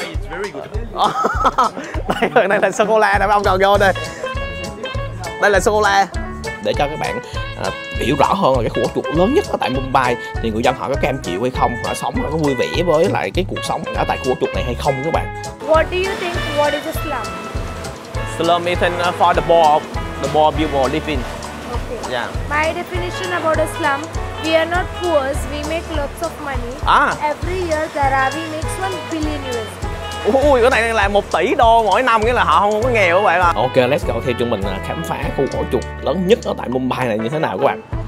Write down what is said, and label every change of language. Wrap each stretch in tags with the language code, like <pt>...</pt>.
<vi>Đây, đây là sô cô la nè, ông còn vô đây. Đây là sô cô la. Để cho các bạn hiểu rõ hơn là cái khu ổ chuột lớn nhất ở tại Mumbai, thì người dân họ có cam chịu hay không, họ sống họ có vui vẻ với lại cái cuộc sống ở tại khu ổ chuột này hay không các bạn.</vi> <en>What do you think, what is a slum? Slum is for the poor people living. Okay. Yeah. My definition about a slum, we are not poor, we make lots of money. Every year Dharavi makes $1 billion.</en> <vi>Ui, cái này là 1 tỷ đô mỗi năm, nghĩa là họ không có nghèo các bạn ạ.</vi> <en>Ok, let's go,</en> <vi>theo chúng mình khám phá khu ổ chuột lớn nhất ở tại Mumbai này như thế nào các bạn.</vi>